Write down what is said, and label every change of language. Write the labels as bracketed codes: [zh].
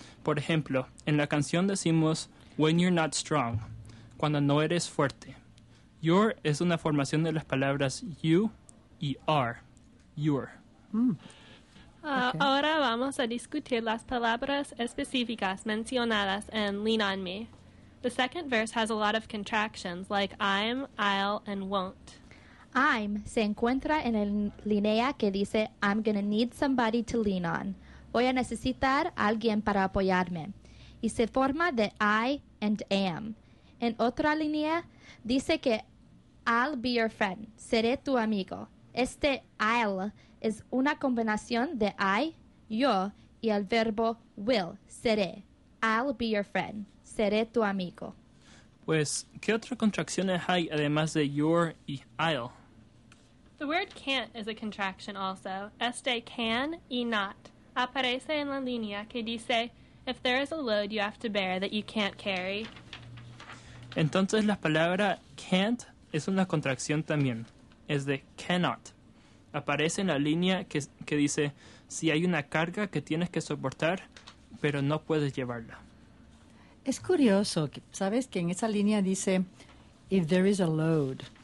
[es] Por ejemplo, en la canción decimos, [en] when you're not strong, [es] cuando no eres fuerte. Your es una formación de las palabras you y are. Your. Okay. Ahora vamos a discutir las palabras específicas mencionadas en Lean On Me. [en] The second verse has a lot of contractions like I'm, I'll, and won't. [es] I'm se encuentra en la línea que dice [en] I'm gonna need somebody to lean on. [es] Voy a necesitar alguien para apoyarme. Y se forma de I and am. En otra línea dice que [en] I'll be your friend, [es] seré tu amigo. Este I'll es una combinación de I, yo, y el verbo will, seré. [en] I'll be your friend, [es] seré tu amigo. Pues, ¿qué otras contracciones hay además de your y I'll? [en] The word can't is a contraction also. [es] Este can y not. Aparece en la línea que dice, [en] if there is a load you have to bear that you can't carry. [es] Entonces la palabra can't es una contracción también. Es de cannot. Aparece en la línea que dice, si hay una carga que tienes que soportar, pero no puedes llevarla. Es curioso, ¿sabes? Que en esa línea dice, [en] if there is a load.